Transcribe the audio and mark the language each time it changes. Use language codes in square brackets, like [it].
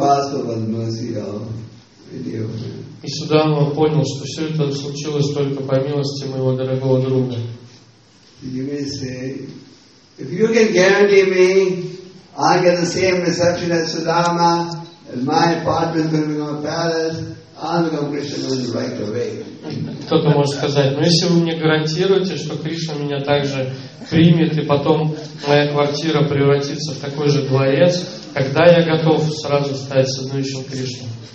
[ru] И Судама понял, что все это случилось только по милости моего дорогого друга. [en] You may say, if you can guarantee me, I'll get the same reception as Sudama, and my apartment will become a palace, I'll become Krishna's right away. [ru] Кто-то может сказать, но если вы мне гарантируете, что Кришна меня также примет, и потом моя квартира превратится в такой же дворец, тогда я готов сразу стать следующим Кришной.